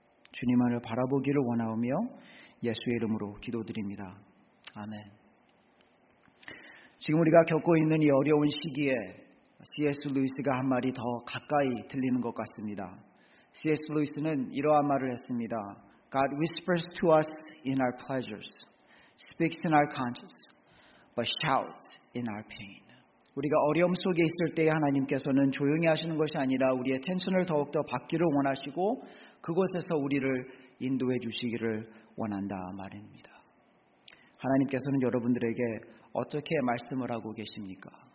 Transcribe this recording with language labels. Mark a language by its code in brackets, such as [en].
[ko] 주님만을 바라보기를 원하오며 예수의 이름으로 기도드립니다. 아멘. 지금 우리가 겪고 있는 이 어려운 시기에 C.S. 루이스가 한 말이 더 가까이 들리는 것 같습니다. C.S. 루이스는 이러한 말을 했습니다. [en] God whispers to us in our pleasures, speaks in our conscience, but shouts in our pain. [ko] 우리가 어려움 속에 있을 때 하나님께서는 조용히 하시는 것이 아니라 우리의 텐션을 더욱더 받기를 원하시고 그곳에서 우리를 인도해 주시기를 원한다 말입니다. 하나님께서는 여러분들에게 어떻게 말씀을 하고 계십니까?